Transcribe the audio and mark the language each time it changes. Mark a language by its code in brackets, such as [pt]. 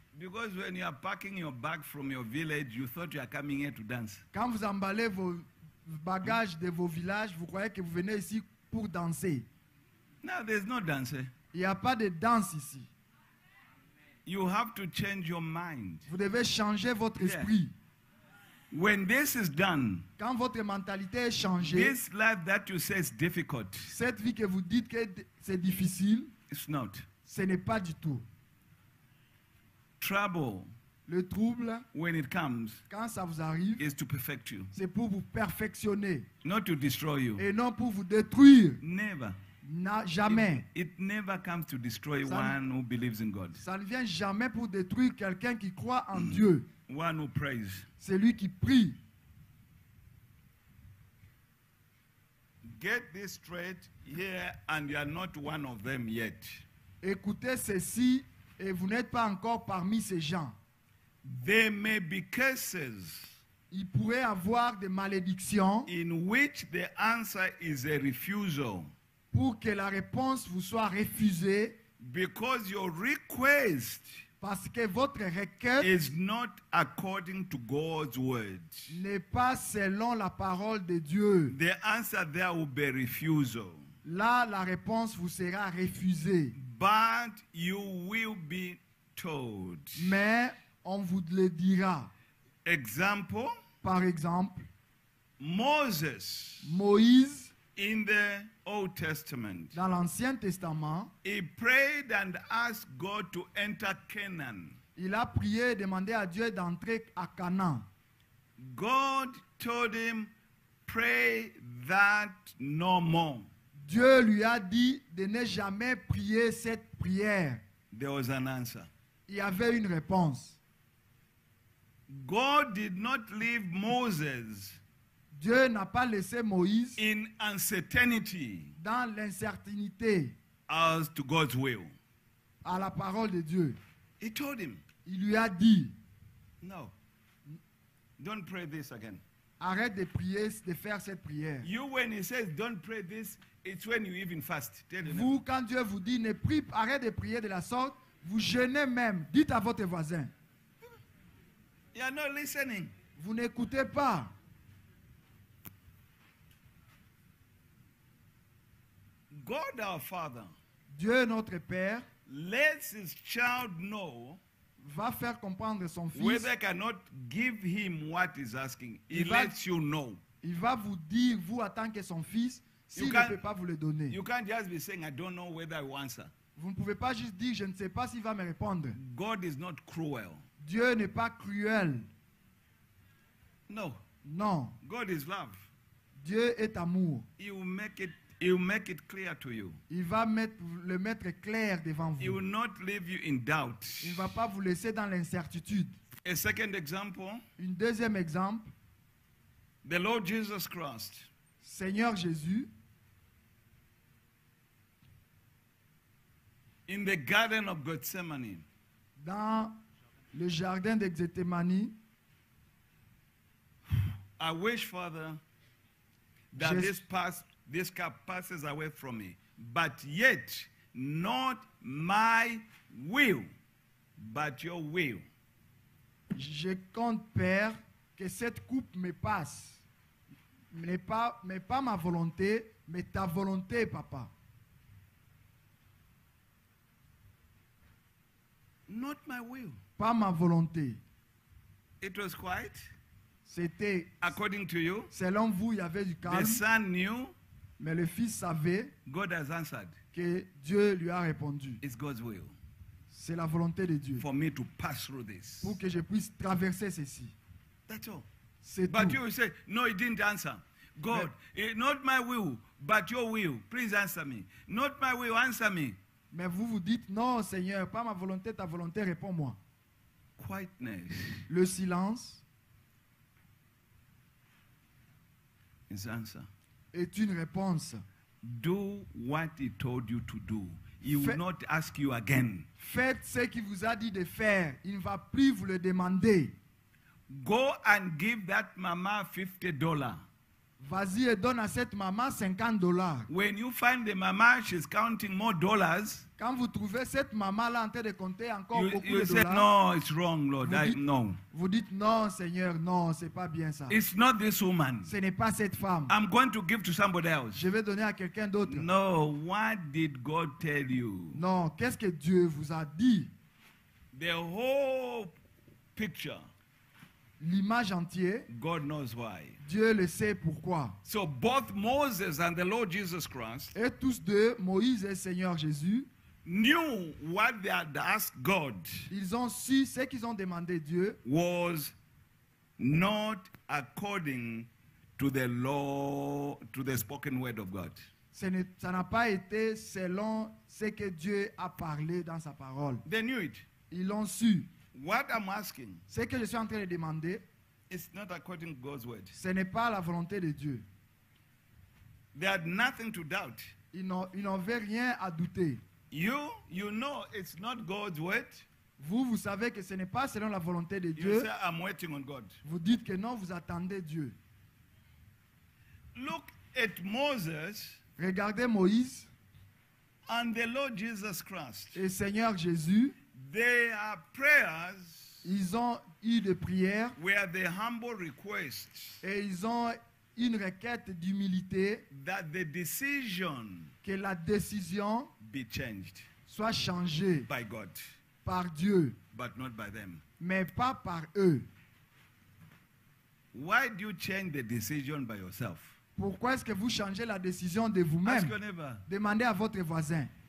[en] Because when you are packing your bag from your village, you thought you are coming here to dance. [fr] Quand vous emballez vos bagages de vos villages, vous croyez que vous venez ici pour danser. [en] No, there's no dance. [fr] Il n'y a pas de danse ici. [en] You have to change your mind. [fr] Vous devez changer votre esprit. [en] When this is done, [fr] quand votre mentalité est changée, [en] this life that you say is difficult, [fr] cette vie que vous dites que c'est difficile, [en] it's not. [fr] Ce n'est pas du tout. [en] Trouble, [fr] le trouble, [en] when it comes, [fr] quand ça vous arrive, [en] is to perfect you. [fr] C'est pour vous perfectionner, [en] not to destroy you. [fr] Et non pour vous détruire. [en] Never. [fr] Jamais. [en] It never comes to destroy one who believes in God. [fr] Ça ne vient jamais pour détruire quelqu'un qui croit en Dieu. [en] One who prays. [fr] Celui qui prie. [en] Get this straight here, and you are not one of them yet. [fr] Écoutez ceci, et vous n'êtes pas encore parmi ces gens. [en] There may be curses. [fr] Il pourrait avoir des malédictions. [en] In which the answer is a refusal. [fr] Pour que la réponse vous soit refusée. [en] Because your request. [fr] Parce que votre requête [en] is not according to God's word. [fr] N'est pas selon la parole de Dieu. [en] The answer there will be refusal. [fr] Là, la réponse vous sera refusée. [en] But you will be told. [fr] Mais on vous le dira. [en] Example. [fr] Par exemple. [en] Moses. [fr] Moïse. [en] In the Old Testament. [fr] Dans l'Ancien Testament, [en] he prayed and asked God to enter Canaan. [fr] Il a prié et demandé à Dieu d'entrer à Canaan. [en] God told him, pray that no more. [fr] Dieu lui a dit de ne jamais prier cette prière. [en] There was an answer. [fr] Il y avait une réponse. [en] God did not leave Moses. [fr] Dieu n'a pas laissé Moïse [en] in uncertainty [fr] dans l'incertitude [en] as to God's will. [fr] À la parole de Dieu. [en] He told him. [fr] Il lui a dit. [en] No. Don't pray this again. [fr] Arrête de prier, de faire cette prière. [en] You, when he says don't pray this, it's when you even fast. Tell him. [fr] Vous, quand Dieu vous dit ne prie, arrête de prier de la sorte, vous jeûnez même. Dites à votre voisin. [en] You are not listening. [fr] Vous n'écoutez pas. [en] God our Father, [fr] Dieu notre Père, [en] lets his child know, [fr] va faire comprendre son fils, [en] whether cannot give him what he's asking, he lets you know. [fr] Il va vous dire, vous en tant que son fils, s'il ne peut pas vous le donner. [en] You can't just be saying, I don't know whether I will answer. [fr] Vous ne pouvez pas juste dire, je ne sais pas s'il va me répondre. [en] God is not cruel. [fr] Dieu n'est pas cruel. [en] No. [fr] Non. [en] God is love. [fr] Dieu est amour. [en] He will make it. He will make it clear to you. [fr] Il va le mettre clair devant vous. [en] He will not leave you in doubt. [fr] Il va pas vous laisser dans l'incertitude. [en] A second example. [fr] Une deuxième exemple. [en] The Lord Jesus Christ. [fr] Seigneur Jésus. [en] In the Garden of Gethsemane. [fr] Dans le jardin de Gethsemane. [en] I wish, Father, that this past. This cup passes away from me, but yet not my will, but your will. [fr] Je compte, Père, que cette coupe me passe, mais pas ma volonté, mais ta volonté, Papa. [en] Not my will. [fr] Pas ma volonté. [en] It was quiet. [fr] C'était. [en] According to you. [fr] Selon vous, il y avait du calme. [en] The son knew. [fr] Mais le fils savait. [en] God has answered. [fr] Que Dieu lui a répondu. [en] It's God's will. [fr] C'est la volonté de Dieu. [en] For me to pass through this. [fr] Pour que je puisse traverser ceci. [en] That's all. [fr] C'est [en] but [fr] tout. [en] You say, no, he didn't answer. God, but, not my will, but your will. Please answer me. Not my will, answer me. [fr] Mais vous vous dites, non, Seigneur, pas ma volonté, ta volonté, réponds-moi. [en] Quietness. [fr] Le silence. [en] His answer. [fr] Est une réponse. [en] Do what he told you to do. He will not ask you again. [fr] Faites ce qu'il vous a dit de faire. Il ne va plus vous le demander. [en] Go and give that mama $50. [fr] Vas-y et donne à cette maman $50. [en] When you find the mama, she's counting more dollars. [fr] Quand vous trouvez cette maman là en train de compter encore [en] you, [fr] beaucoup [en] you [fr] de [en] said, [fr] dollars. [en] No, it's wrong, Lord. [fr] Vous dites, no. Vous dites non, Seigneur, non, c'est pas bien ça. [en] It's not this woman. [fr] Ce n'est pas cette femme. [en] I'm going to give to somebody else. [fr] Je vais donner à quelqu'un d'autre. [en] No, what did God tell you? [fr] Non, qu'est-ce que Dieu vous a dit? [en] The whole picture. [fr] L'image entière. [en] God knows why. [fr] Dieu le sait pourquoi. [en] So both Moses and the Lord Jesus Christ. [fr] Et tous deux, Moïse et Seigneur Jésus. [en] Knew what they had asked God. [fr] Ils ont su ce qu'ils ont demandé Dieu. [en] Was not according to the law, to the spoken word of God. [fr] Ça n'a pas été selon ce que Dieu a parlé dans sa parole. [en] They knew it. [fr] Ils l'ont su. [en] What I'm asking, [fr] ce que je suis en train de demander, [en] it's not according to God's word. [fr] Ce n'est pas la volonté de Dieu. [en] They had nothing to doubt. [fr] Ils n'avaient rien à douter. [en] You know it's not God's word. [fr] Vous, vous savez que ce n'est pas selon la volonté de [en] you [fr] Dieu. [en] Say, I'm waiting on God. [fr] Vous dites que non, vous attendez Dieu. [en] Look at Moses. [fr] Regardez Moïse. [en] And the Lord Jesus Christ. [fr] Et Seigneur Jésus. [en] They are prayers. [fr] Ils ont eu des prières. [en] Where the humble requests. [fr] Et ils ont une requête d'humilité. [en] That the decision. [fr] Que la décision. [en] Be changed. [fr] Soit changée. [en] By God. [fr] Par Dieu. [en] But not by them. [fr] Mais pas par eux. [en] Why do you change the decision by yourself? [fr] Pourquoi est-ce que vous changez la décision de vous-même? [en] Ask your neighbor. [fr] Demandez à votre voisin.